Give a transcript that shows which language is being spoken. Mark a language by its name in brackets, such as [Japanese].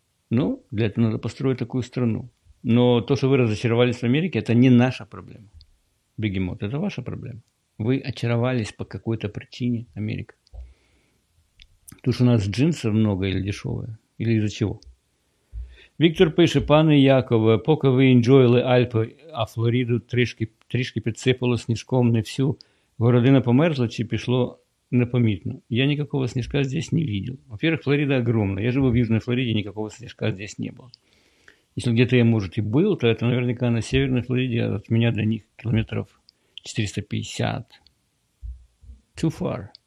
[Russian] Ну, для этого надо построить такую страну. Но то, что вы разочаровались в Америке, это не наша проблема, бегемот. Это ваша проблема. Вы очаровались по какой-то причине Америка. Потому что у нас джинсов много или дешевые, или из-за чего. [Ukrainian] Віктор пише: пане Якове, поки ви інджоїли Альпи, а Флориду трішки підсипало сніжком, не всю городина померзла чи пішло непомітно? [Russian] Я ніякого сніжка здесь не видел. Во-первых, Флорида огромна. Я живу в Южной Флориде, никакого сніжка здесь не было. Если где-то я, может, и был, то это наверняка на Северной Флориде, от меня до них километров 450. [English] Too far.